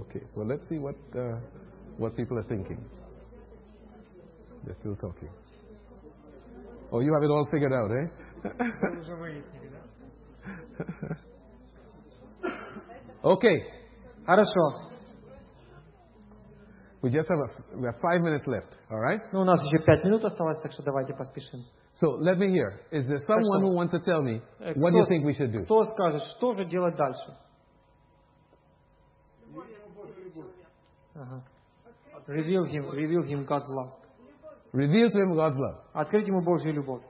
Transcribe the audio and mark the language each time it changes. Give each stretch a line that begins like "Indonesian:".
English: Okay. Well, let's see what people are thinking. They're still talking. Oh, you have it all figured out, eh? Okay.
Russian: Хорошо.
English: We just have we have 5 minutes left, all right?
Russian: Ну, у нас еще 5 минут осталось, так что давайте поспешим.
English: So let me hear. Is there someone who wants to tell me what you think we should do?
Russian: Кто скажет, что же делать дальше?
English: Reveal him God's love. Reveal to him God's love.
Russian: Открыть ему Божью любовь.